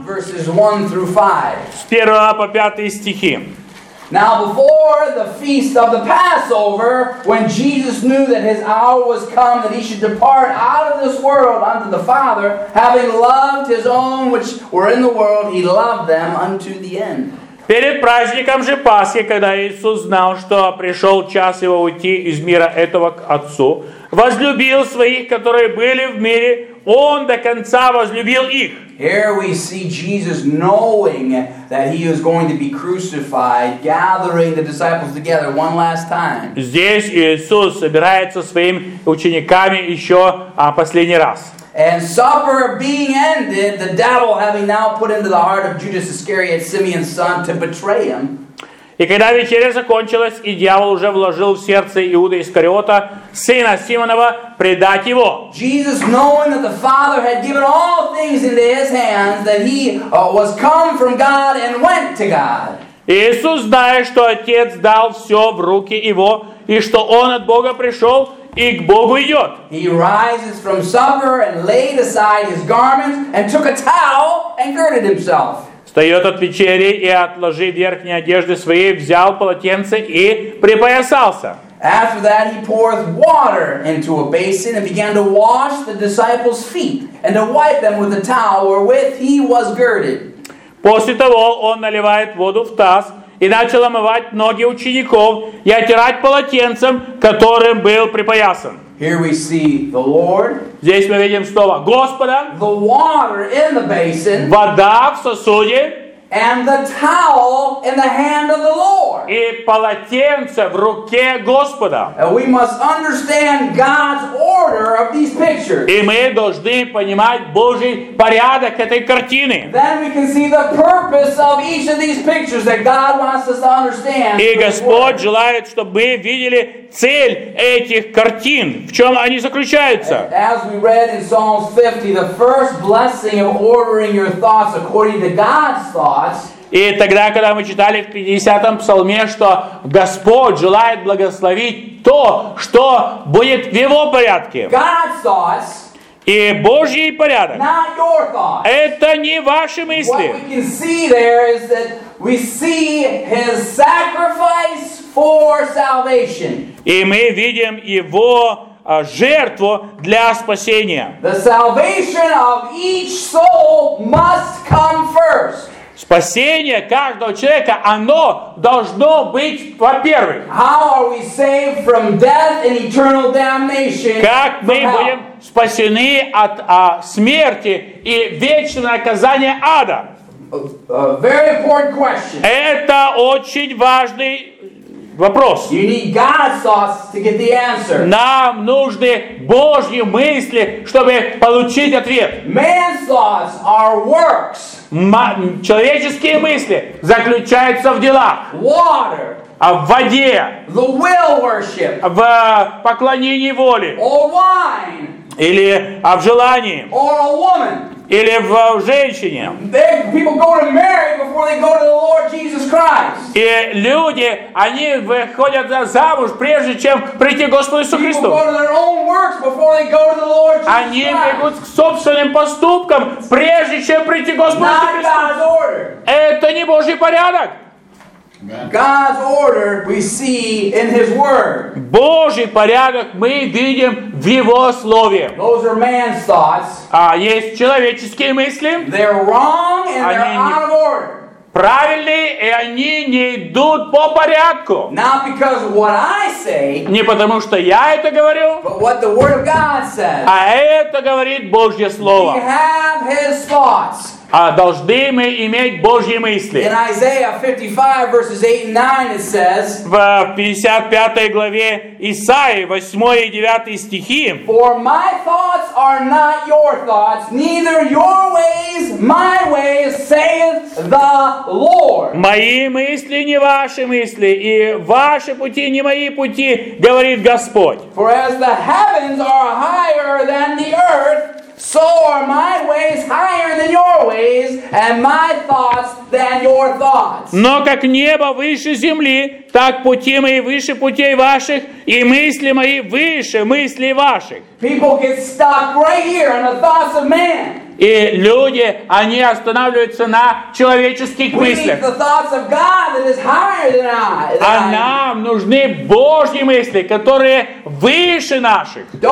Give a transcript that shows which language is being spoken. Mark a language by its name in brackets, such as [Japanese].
[English] Verses 1 through 5. [Russian] С 1 по 5 стихи. [English] Now before the feast of the Passover, when Jesus knew that his hour was come, that he should depart out of this world unto the Father, having loved his own which were in the world, he loved them unto the end. [Russian] Перед праздником же Пасхи, когда Иисус знал, что пришел час его уйти из мира этого к Отцу, возлюбил своих, которые были в мире, он до конца возлюбил их. [English] Here we see Jesus knowing that he is going to be crucified, gathering the disciples together one last time. [Russian] Здесь Иисус собирается со своими учениками еще последний раз. [English] And supper being ended, the devil having now put into the heart of Judas Iscariot, Simeon's son, to betray him. [Russian] И когда вечеря закончилась, и дьявол уже вложил в сердце Иуды Искариота, сына Симонова, предать его. [English] Jesus, knowing that the Father had given all things into his hands, that he was come from God and went to God. [Russian] Иисус, зная, что Отец дал все в руки его, и что он от Бога пришел, и к Богу идет. [English] He rises from supper and laid aside his garments and took a towel and girded himself. [Russian] Встает от вечери и, отложив верхние одежды свои, взял полотенце и припоясался. [English] After that he poured water into a basin and began to wash the disciples' feet and to wipe them with the towel wherewith he was girded. [Russian] После того он наливает воду в таз и начал омывать ноги учеников и отирать полотенцем, которым был припоясан. [English] Here we see the Lord. [Russian] Здесь мы видим слово Господа. [English] The water in the basin. [Russian] Вода в сосуде. [English] And the towel in the hand of the Lord. [Russian] И полотенце в руке Господа. [English] And we must understand God's order of these pictures. [Russian] И мы должны понимать Божий порядок этой картины. [English] Then we can see the purpose of each of these pictures that God wants us to understand. [Russian] И Господь желает, чтобы мы видели цель этих картин. В чем они заключаются? [English] As we read in Psalm 50, the first blessing of ordering your thoughts according to God's thoughts. [Russian] И тогда, когда мы читали в 50-м псалме, что Господь желает благословить то, что будет в Его порядке. [English] God's thoughts, [Russian] и Божий порядок. [English] Not your thoughts. [Russian] Это не ваши мысли. [English] What we can see there is that we see His sacrifice for salvation. [Russian] И мы видим Его жертву для спасения. [English] The salvation of each soul must come first. [Russian] Спасение каждого человека, оно должно быть во-первых. [English] How are we saved from death and eternal damnation? [Russian] Как мы будем спасены от смерти и вечного наказания ада? [English] A very important question. [Russian] Это очень важный вопрос. [English] You need God's thoughts to get the answer. [Russian] Нам нужны Божьи мысли, чтобы получить ответ. [English] Man's thoughts are works. [Russian] Человеческие мысли заключаются в делах. [English] Water. [Russian] В воде. [English] The will worship. [Russian] В поклонении воли. [English] Or wine. [Russian] Или в желании. [English] Or a woman. [Russian] Или в женщине. [English] People go to marry before they go to the Lord Jesus Christ. [Russian] И люди, они выходят замуж, прежде чем прийти к Господу Иисусу Христу. [English] People go to their own works before they go to the Lord Jesus Christ. [Russian] Они бегут к собственным поступкам, прежде чем прийти к Господу Иисусу Христу. [English] Not God's order. [Russian] Это не Божий порядок. [English] God's order we see in His Word. [Russian] Божий порядок мы видим в Его Слове. [English] Those are man's thoughts. [Russian] А есть человеческие мысли. [English] They're wrong and they're out of order. [Russian] Правильные, и они не идут по порядку. [English] Not because of what I say, [Russian] не потому, что я это говорю, [English] but what the Word of God says. [Russian] А это говорит Божье Слово. [English] We have His thoughts. [Russian] А должны мы иметь Божьи мысли. [English] In Isaiah 55, verses 8 and 9, it says, [Russian] в 55 главе Исаии, 8 и 9 стихи, [English] for my thoughts are not your thoughts, neither your ways my ways, saith the Lord. [Russian] Мои мысли не ваши мысли, и ваши пути не мои пути, говорит Господь. [English] For as the heavens are higher than the earth, so are my ways higher than your ways, and my thoughts than your thoughts. [Russian] Но как небо выше земли, так пути мои выше путей ваших, и мысли мои выше мыслей ваших. [English] People get stuck right here on the thoughts of man. [Russian] И люди, они останавливаются на человеческих мыслях. А нам нужны Божьи мысли, которые выше наших.